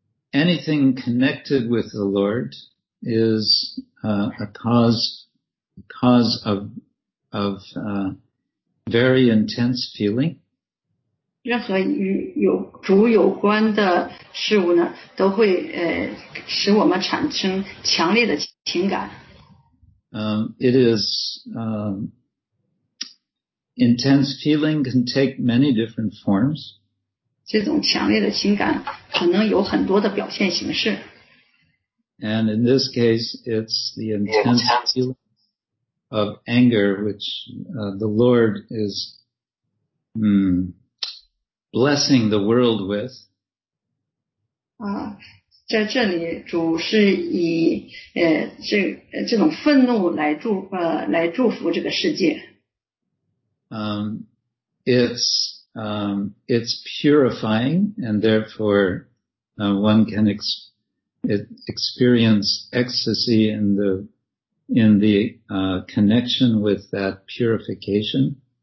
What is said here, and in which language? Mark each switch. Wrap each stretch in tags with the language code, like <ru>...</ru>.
<en>Anything connected with the Lord is、a cause of very intense feeling.</en> <zh>任何与主有关的事物呢，都会、使我们产生强烈的情感。</zh> <en>It is、intense feeling can take many different forms.</en> <zh>这种强烈的情感可能有很多的表现形式。</zh> <en>And in this case, it's the intense feeling of anger, which、the Lord is、blessing the world with.、</en> <zh>在这里主是以、这种愤怒来 祝福这个世界。</zh> <en>It's purifying, and therefore,、one can experience ecstasy in the、connection with that purification.</en>